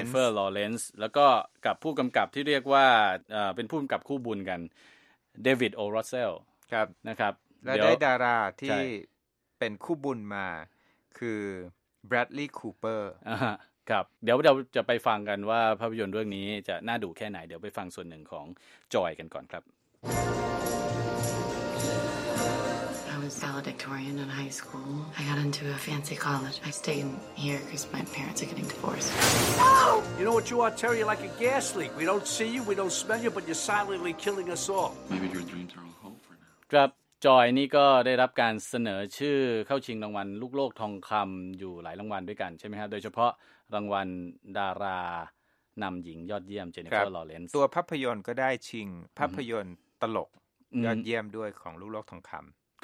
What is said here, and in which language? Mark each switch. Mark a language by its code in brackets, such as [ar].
[th] เจนนิเฟอร์ลอเรนซ์แล้วก็กับผู้กำกับที่เรียกว่าเป็นผู้กำกับคู่บุญกันเดวิดโอรอสเซล ครับ นะครับ และได้ดาราที่เป็นคู่บุญมาคือแบรดลีย์คูเปอร์ครับเดี๋ยวจะไปฟังกันว่าภาพยนตร์เรื่องนี้จะน่าดูแค่ไหนเดี๋ยวไปฟังส่วนหนึ่งของจอยกันก่อนครับ [en] I was valedictorian in high school. I got into a fancy college. I stayed here because my parents are getting divorced. No! You know what you are, Terry? You're like a gas leak. We don't see you, we don't smell you, but you're silently killing us all. Maybe your dreams are all hope for now. [th] ครับจอยนี่ก็ได้รับการเสนอชื่อเข้าชิงรางวัลลูกโลกทองคำอยู่หลายรางวัลด้วยกันใช่ไหมครับโดยเฉพาะรางวัลดารานำหญิงยอดเยี่ยมเจนนิเฟอร์ลอเรนซ์ ตัวภาพยนตร์ก็ได้ชิงภาพยนตร์ตลกยอดเยี่ยมด้วยของลูกโลกทองคำ